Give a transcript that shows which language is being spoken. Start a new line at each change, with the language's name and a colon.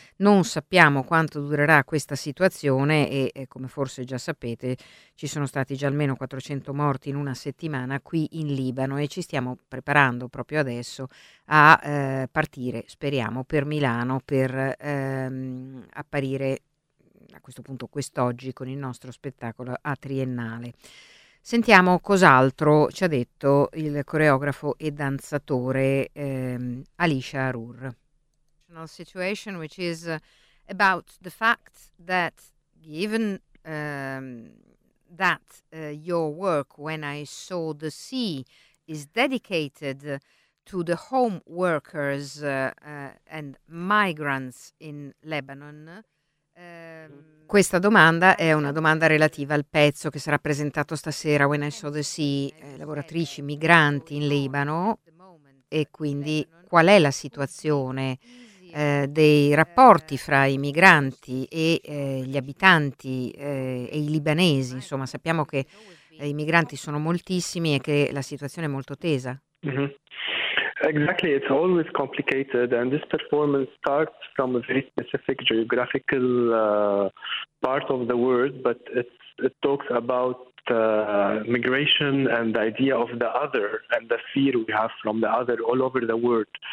Italian: Non sappiamo quanto durerà questa situazione e, come forse già sapete, ci sono stati già almeno 400 morti in una settimana qui in Libano e ci stiamo preparando proprio adesso a partire, speriamo, per Milano per apparire a questo punto quest'oggi con il nostro spettacolo a Triennale. Sentiamo cos'altro ci ha detto il coreografo e danzatore Ali Shaharour.
English: Situation which is about the fact that given that your work When I Saw the Sea is dedicated to the home workers and migrants in Lebanon.
Italian: Questa domanda è una domanda relativa al pezzo che sarà presentato stasera, When I Saw the Sea, lavoratrici migranti in Libano, e quindi qual è la situazione dei rapporti fra i migranti e gli abitanti e i libanesi. Insomma, sappiamo che i migranti sono moltissimi e che la situazione è molto tesa.
English: Exactly, it's always complicated, and this performance starts from a very specific geographical part of the world, but it talks about migration and the idea of the other and the fear we have from the other all over the world.